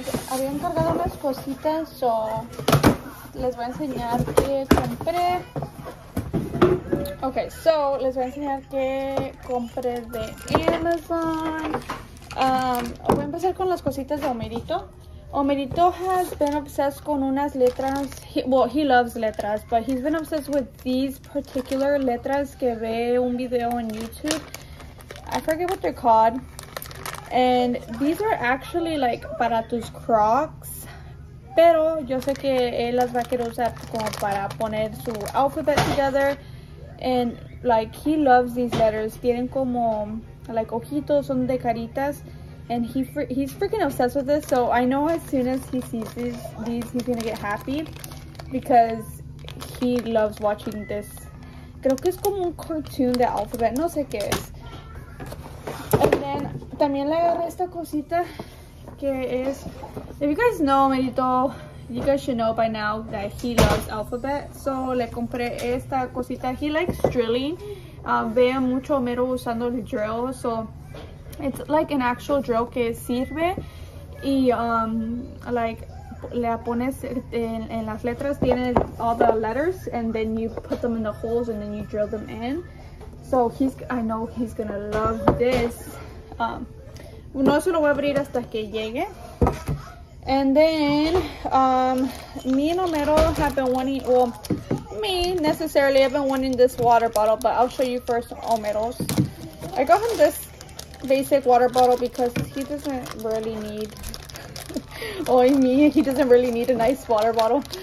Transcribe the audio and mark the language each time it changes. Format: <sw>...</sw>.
<es>Había encargado unas cositas, so les voy a enseñar qué compré. Okay, so les voy a enseñar qué compré de Amazon. Voy a empezar con las cositas de Homerito.</es> <en>Homerito has been obsessed</en> <es>con unas letras.</es> <en>He loves letras, but he's been obsessed with these particular letras</en> <es>que ve un video en YouTube.</es> <en>I forget what they're called. And these are actually like</en> <es>para tus Crocs, pero yo sé que él las va a querer usar como para poner su</es> <en>alphabet together. And like, he loves these letters.</en> <es>Tienen como like ojitos, son de caritas.</es> <en>And he's freaking obsessed with this. So I know as soon as he sees these, he's gonna get happy because he loves watching this.</en> <es>Creo que es como un cartoon de alphabet, no sé qué es. También le agarré esta cosita que es,</es> <en>if you guys know Merito, you guys should know by now that he loves alphabet.</en> <es>So le compré esta cosita.</es> <en>He likes drilling.</en> <es>Ve mucho Homero usando el drill.</es> <en>So it's like an actual drill</en> <es>que sirve. Y like le pones en las letras, tiene</es> <en>all the letters and then you put them in the holes and then you drill them in. So I know he's gonna love this.</en> <es>No se lo voy a abrir hasta que llegue.</es> <en>And then me and Homero have been wanting, well, me necessarily I've been wanting this water bottle, but I'll show you first Homero's. I got him this basic water bottle because he doesn't really need he doesn't really need a nice water bottle.</en>